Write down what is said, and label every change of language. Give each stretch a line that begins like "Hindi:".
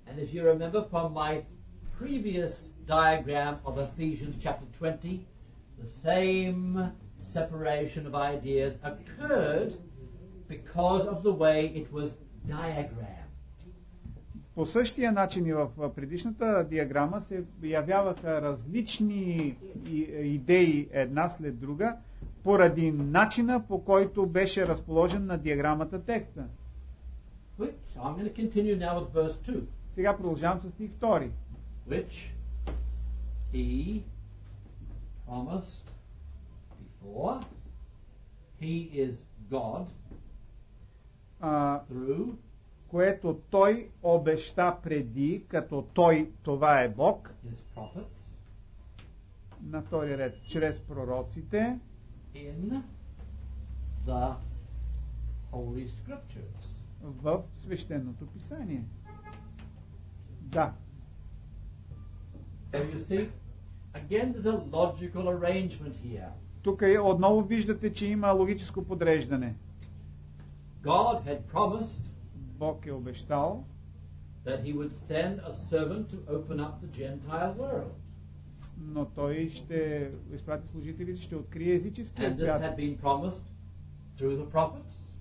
English: And if you remember from my previous diagram of Ephesians chapter 20, the same separation of ideas occurred because of the way it was diagrammed.
Bulgarian: По същия начин и в предишната диаграма се явяваха различни идеи една след друга поради начина, по който беше разположен на диаграмата текста.
English: Which I'm going to continue now with verse 2.
Bulgarian: Сега продължавам с стих 2.
English: Which he promised before. He is God. Through.
Bulgarian: Което той обеща преди, като той това е Бог.
English: His prophets.
Bulgarian: На втори ред. Чрез пророците.
English: In the Holy Scriptures.
Bulgarian: В свещеното писание. Да.
English: So you see, again there's a logical arrangement here.
Bulgarian: Тук отново виждате, че има логическо подреждане.
English: God had promised
Bulgarian: Бог е обещал
English: that he would send a servant to open up the Gentile world.
Bulgarian: Но той ще изпрати служители, ще открие езическия свят.
English: And this had been promised through the prophets.